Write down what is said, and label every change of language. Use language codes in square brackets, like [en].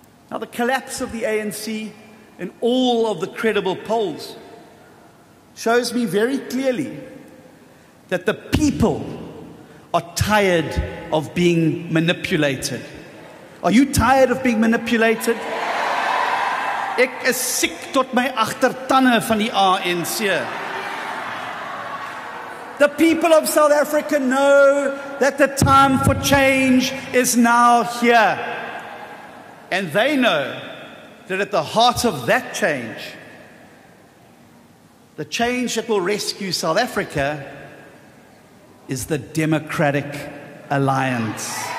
[en] Now, the collapse of the ANC in all of the credible polls shows me very clearly that the people are tired of being manipulated. Are you tired of being manipulated? [af] Ek is siek tot my agtertande van die ANC. [en] The people of South Africa know that the time for change is now here. And they know that at the heart of that change, the change that will rescue South Africa, is the Democratic Alliance.